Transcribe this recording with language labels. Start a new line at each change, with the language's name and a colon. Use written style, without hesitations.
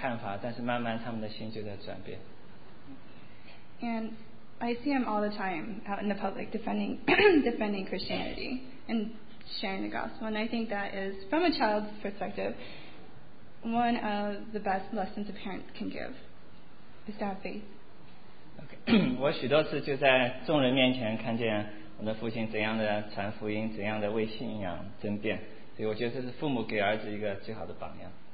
Chinese: 这些人的心他们会有所改变，尽管不是每一个人他们就立刻的悔改信主，但是一开始他们可能是很负面的看法，但是慢慢他们的心就在转变。
English: And I see him all the time out in the public defending defending Christianity and sharing the gospel, and I think that is, from a child's perspective, one of the best lessons a parent can give is to have faith. Okay.
Chinese: 我许多次就在众人面前看见 我的父亲怎样的传福音，怎样的为信仰争辩，所以我觉得这是父母给儿子一个最好的榜样。